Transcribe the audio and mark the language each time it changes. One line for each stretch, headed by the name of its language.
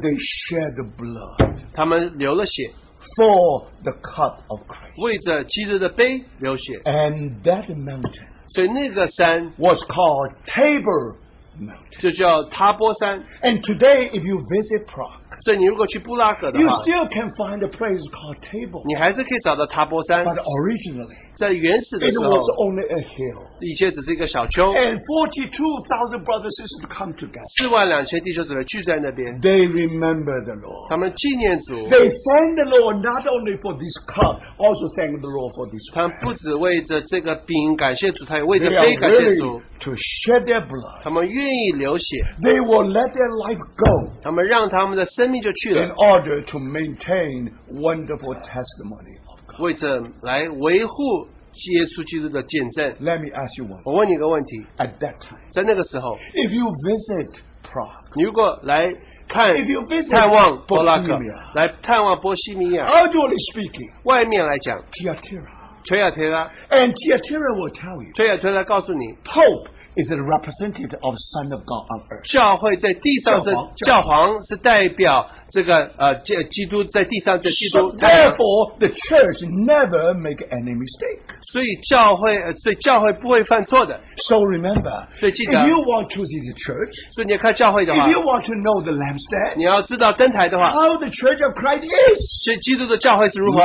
English: they shed the blood.
Chinese: 他们流了血,
English: for the cup of Christ.
Chinese: 为着基督的杯流血,
English: and that mountain,
Chinese: 所以那个山,
English: was called Tabor Mountain,
Chinese: 就叫塔波山,
English: and today if you visit Prague,
Chinese: 所以你如果去布拉格的话,
English: you still can find a place called Tabor,
Chinese: 你还是可以找到塔波山,
English: but originally,
Chinese: 在原始的时候,
English: it was only a hill,
Chinese: 以前只是一个小丘,
English: and 42,000 brothers and sisters come together,
Chinese: 42,000弟兄姊妹聚在那边,
English: they remember the Lord,
Chinese: 他们纪念主,
English: they thank the Lord not only for this cup, also thank the Lord for this bread,
Chinese: 他们不只为着这个饼感谢主, 他也为着杯感谢主,
English: to shed their blood,
Chinese: 他们愿意流血,
English: they will let their life go,
Chinese: 他们让他们的生命就去了,
English: in order to maintain wonderful testimony,
Chinese: 为着来维护耶稣基督的见证,
English: let me ask you one,
Chinese: 我问你个问题,
English: at that time,
Chinese: 在那个时候,
English: if you visit Prague,
Chinese: 你如果来看,
English: if you visit
Chinese: 探望,
English: Bohemia,
Chinese: 来探望波西米亚,
English: outwardly speaking,
Chinese: 外面来讲,
English: Thyatira, and Thyatira will tell you,
Chinese: 推亚推拉告诉你,
English: Pope is a representative of Son of God on earth,
Chinese: 教会在地上是, 教皇是代表, 这个, 基督在地上, 基督,
English: so therefore the church never make any mistake,
Chinese: 所以教会, 所以教会不会犯错的,
English: so remember,
Chinese: 所以记得,
English: if you want to see the church,
Chinese: 所以你要看教会的话,
English: if you want to know the lampstand,
Chinese: 你要知道灯台的话,
English: how the church of Christ is,
Chinese: 所以基督的教会是如何,